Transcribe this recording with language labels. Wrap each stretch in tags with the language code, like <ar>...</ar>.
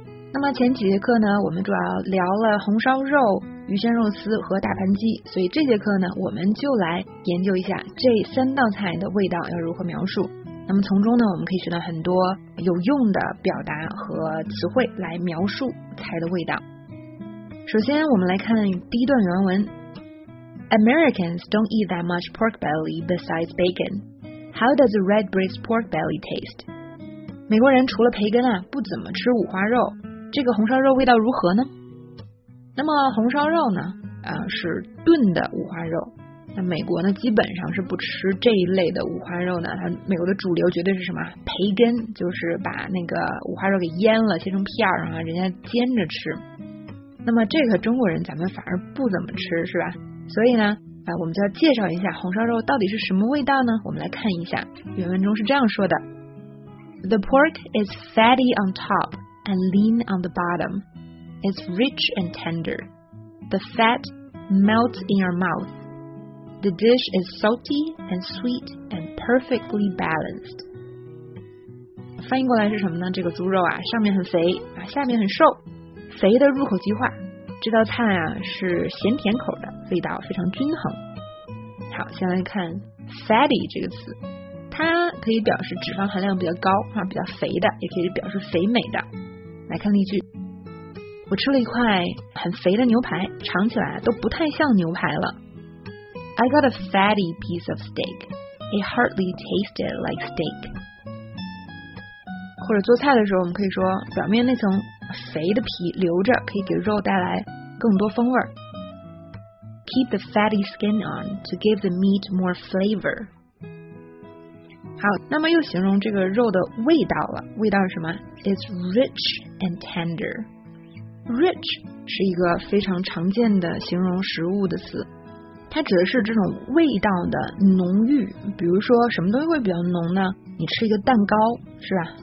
<zh>那么前几节课呢，我们主要聊了红烧肉、鱼香肉丝和大盘鸡，所以这节课呢，我们就来研究一下这三道菜的味道要如何描述。那么从中呢，我们可以学到很多有用的表达和词汇来描述菜的味道。首先，我们来看第一段原文。</zh> <en>Americans don't eat that much pork belly besides bacon. How does a red breast pork belly taste?</en> <zh>美国人除了培根啊，不怎么吃五花肉。这个红烧肉味道如何呢？那么红烧肉呢，是炖的五花肉。那美国呢，基本上是不吃这一类的五花肉呢。它美国的主流绝对是什么？培根，就是把那个五花肉给腌了，切成片儿，然后人家煎着吃。那么这个中国人咱们反而不怎么吃，是吧？所以呢，我们就要介绍一下红烧肉到底是什么味道呢？我们来看一下，原文中是这样说的 ：</zh> <en>The pork is fatty on top and lean on the bottom. It's rich and tender. The fat melts in your mouth. The dish is salty and sweet and perfectly balanced.</en> <zh>翻译过来是什么呢？这个猪肉啊，上面很肥啊，下面很瘦，肥的入口即化。这道菜啊是咸甜口的，味道非常均衡。好，先来看 fatty 这个词，它可以表示脂肪含量比较高啊，比较肥的，也可以表示肥美的。来看例句，我吃了一块很肥的牛排，尝起来都不太像牛排了。</zh> <en>I got a fatty piece of steak. It hardly tasted like steak.</en> <zh>或者做菜的时候，我们可以说表面那层肥的皮留着，可以给肉带来更多风味。</zh> <en>Keep the fatty skin on to give the meat more flavor.</en> <zh>好，那么又形容这个肉的味道了。味道是什么？</zh> <en>It's rich and tender.</en> <zh>Rich 是一个非常常见的形容食物的词，它指的是这种味道的浓郁。比如说什么东西会比较浓呢？你吃一个蛋糕，是吧？</zh>